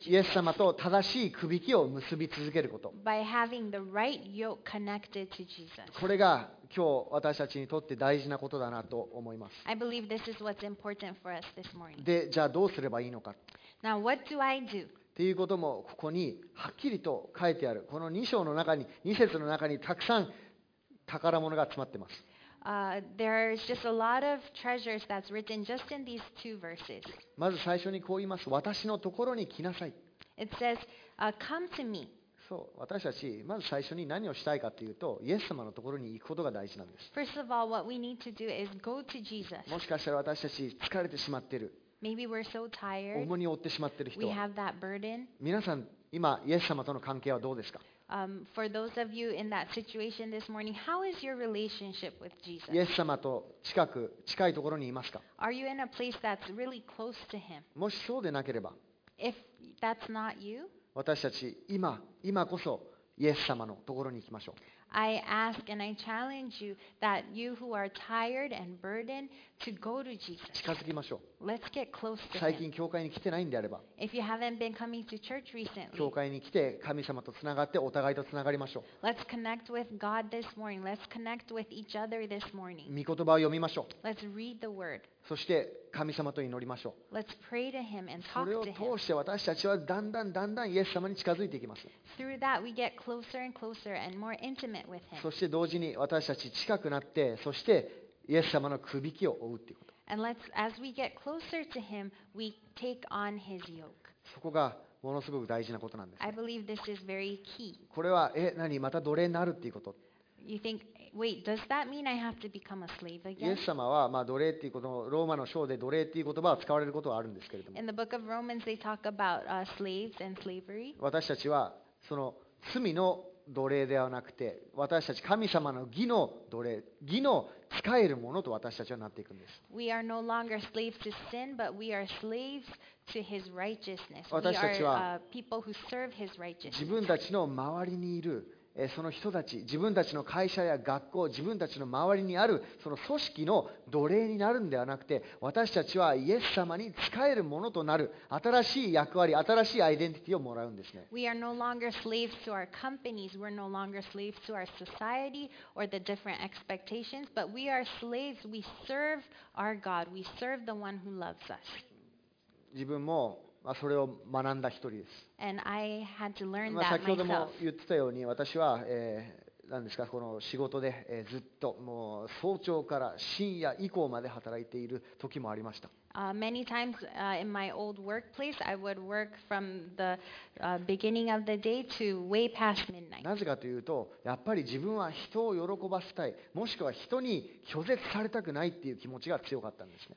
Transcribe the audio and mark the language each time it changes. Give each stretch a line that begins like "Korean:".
Japanese: イエス様と正しい首輝きを結び続けること。
English: By having the right yoke connected to Jesus.
Japanese: これが今日私たちにとって大事なことだなと思います。
English: I believe this is what's important for us this morning.
Japanese: で、じゃあどうすればいいのか。
English: Now what do I do?
Japanese: ということもここにはっきりと書いてある。この2章の中に、2節の中にたくさん宝物が詰まってます。
English: There's just a lot of treasures that's written just in these two verses.
Japanese: まず最初にこう言います。私のところに来なさい。
English: It says, come to me.
Japanese: そう、私たちまず最初に何をしたいかというと、イエス様のところに行くことが大事なんです。
English: First of all, what we need to do is go to Jesus.
Japanese: もしかしたら私たち疲れてしまってる。
English: Maybe we're so tired.
Japanese: 重荷を負ってしまってる人。
English: We have that burden.
Japanese: 皆さん今イエス様との関係はどうですか？
English: For those of you in that situation this morning, how is your relationship with Jesus?
Japanese: イエス様と近いところにいますか？
English: Are you in a place that's really close to Him?
Japanese: もしそうでなければ、
English: If that's not you,
Japanese: 私たち今こそイエス様のところに行きましょう。
English: I ask and I challenge you that you who are tired and burdened to go to Jesus.
Japanese: 近づきましょう。
English: Let's get close to him.
Japanese: 最近教会に来てないんであれば、
English: If you haven't been coming to church recently,
Japanese: 教会に来て神様とつながってお互いとつながりましょう。
English: Let's connect with God this morning. Let's connect with each other this morning.
Japanese: 御言葉を読みましょう。
English: Let's read the word.
Japanese: そして神様と祈りましょう。
English: Let's pray to him and talk to him.
Japanese: それを通して私たちはだんだんだんだんイエス様に近づいていきます。
English: Through that we get closer and closer and more intimate.
Japanese: そして同時に私たち近くなって、そしてイエス様の首輝きを追うということ。
English: And let's, as we get closer to him, we take on his yoke.
Japanese: そこがものすごく大事なことなんです、ね。
English: I believe this is very key.
Japanese: これは何また奴隷になるっていうこと。
English: You think, wait, does that mean I have to become a slave again?
Japanese: イエス様はまあ奴隷っていうこと、ローマの書で奴隷っていう言葉は使われることはあるんですけれども。
English: In the book of Romans, they talk about slaves and slavery.
Japanese: 私たちはその罪の奴隷ではなくて、私たち神様の義の奴隷、義の使えるものと私たちはなっていくんです。
English: We are no longer slaves to sin, but we are slaves to His righteousness.
Japanese: 私たちは、
English: people who serve His righteousness.
Japanese: 自分たちの周りにいる、その人たち、自分たちの会社や学校、自分たちの周りにあるその組織の奴隷になるんではなくて、私たちはイエス様に仕えるものとなる新しい役割、新しいアイデンティティをもらうんですね。
English: We are no longer slaves to our companies. We're no longer slaves to our society or the different expectations. But we are slaves. We serve our God. We serve the one who loves us.
Japanese: 自分もそれを学んだ一人です。
English: And I had to learn that myself.
Japanese: 先ほども言ってたように、私は、何ですか、この仕事で、ずっともう早朝から深夜以降まで働いている時もありました。
English: Many times, in my old workplace, I would work from the, beginning of the day to way past midnight.
Japanese: なぜかというと、やっぱり自分は人を喜ばせたい、もしくは人に拒絶されたくないっていう気持ちが強かったんですね。